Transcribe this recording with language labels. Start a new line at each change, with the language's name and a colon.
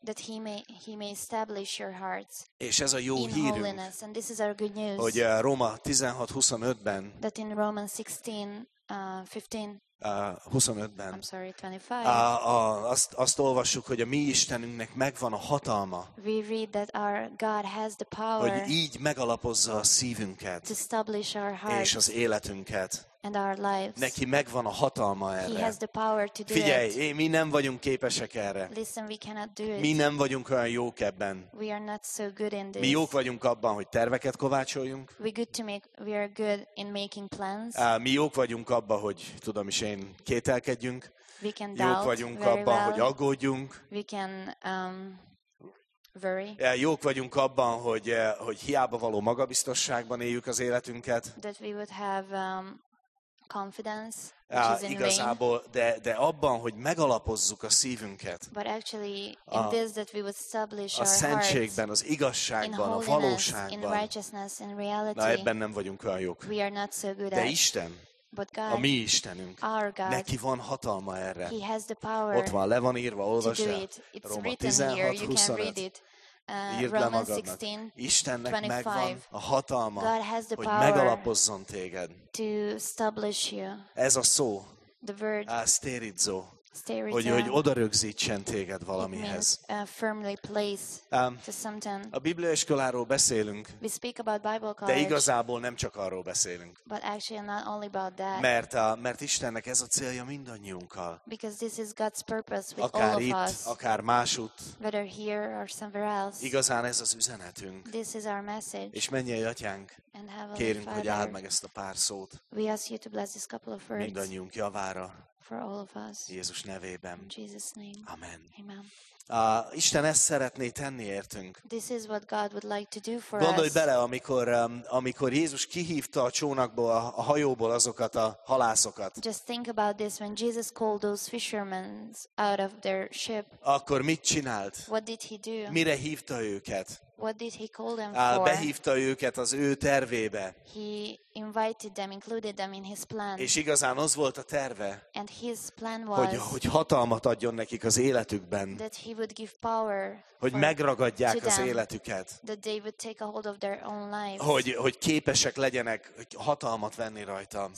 English: That he may establish your hearts.
Hungarian: És ez a jó hírünk.
English: And this is our good news.
Hungarian: Hogy Róma 16:25-ben.
English: That in Romans 16, 15.
Hungarian: 25-ben.
English: I'm sorry, 25.
Hungarian: Azt olvassuk, hogy a mi Istenünknek megvan a hatalma.
English: We read that our God has the power.
Hungarian: Hogy így megalapozza a szívünket.
English: To establish our hearts.
Hungarian: És az életünket.
English: And our lives.
Hungarian: Neki megvan a hatalma erre.
English: He has the power to do.
Hungarian: Figyelj,
English: it.
Hungarian: Figyelj, mi nem vagyunk képesek erre.
English: Listen, we cannot do it.
Hungarian: Mi nem vagyunk olyan jók ebben.
English: We are not so good in this.
Hungarian: Mi jók vagyunk abban, hogy terveket kovácsoljunk.
English: We are good in making plans.
Hungarian: Mi jók vagyunk abban, hogy tudom is én, kételkedjünk.
English: We can doubt.
Hungarian: Jók vagyunk abban,
English: well.
Hungarian: Hogy aggódjunk.
English: We can worry.
Hungarian: Jók vagyunk abban, hogy hiába való magabiztosságban éljük az életünket.
English: That we would have confidence, which is in
Hungarian: igazából,
English: vain.
Hungarian: De abban, hogy megalapozzuk a szívünket.
English: But actually, in this that we would establish our hearts.
Hungarian: A szentségben, az igazságban,
English: in
Hungarian: a valóságban.
English: In righteousness, in reality.
Hungarian: Na, ebben nem vagyunk olyan jók.
English: We are not so good
Hungarian: de
English: at.
Hungarian: De Isten,
English: but God,
Hungarian: a mi Istenünk,
English: our God,
Hungarian: neki van hatalma erre.
English: He has the power.
Hungarian: Ott van, le van írva, olvasd el.
English: It's Roma written 16, here, 25. You can read it.
Hungarian: Írd le magadnak. Istennek megvan a hatalma, hogy megalapozzon téged.
English: To establish you.
Hungarian: Ez a szó.
English: The word.
Hungarian: Sterizo. Hogy odarögzítsen téged valamihez.
English: It means, firmly place to something.
Hungarian: A Bibliaiskoláról beszélünk.
English: We speak about Bible college,
Hungarian: de igazából nem csak arról beszélünk.
English: But actually not only about that.
Hungarian: Mert Istennek ez a célja mindannyiunkkal.
English: Because this is God's purpose with
Hungarian: akár
English: all of
Hungarian: itt,
English: us.
Hungarian: Akár másutt.
English: Whether here or somewhere else.
Hungarian: Igazán ez az üzenetünk.
English: This is our message.
Hungarian: És mennyei Atyánk, kérünk,
English: Father,
Hungarian: hogy áld meg ezt a pár szót.
English: We ask you to bless this couple of words.
Hungarian: Mindannyiunk javára.
English: For all of us.
Hungarian: Jézus nevében.
English: In Jesus' name. Amen. Amen.
Hungarian: Isten ezt szeretné tenni értünk.
English: This is what God would like to do for us.
Hungarian: Gondolj bele, amikor Jézus kihívta a csónakból, a hajóból azokat a halászokat.
English: Just think about this when Jesus called those fishermen out of their ship.
Hungarian: Akkor mit csinált?
English: What did he do?
Hungarian: Mire hívta őket?
English: What did he call them for?
Hungarian: Behívta őket az ő tervébe.
English: He invited them, included them in his plan.
Hungarian: És igazán az volt a terve.
English: And his plan was.
Hungarian: Hogy hatalmat adjon nekik az életükben.
English: That he would give power.
Hungarian: Hogy megragadják az életüket.
English: That they would take a hold of their own lives.
Hungarian: Hogy képesek legyenek hatalmat venni rajta.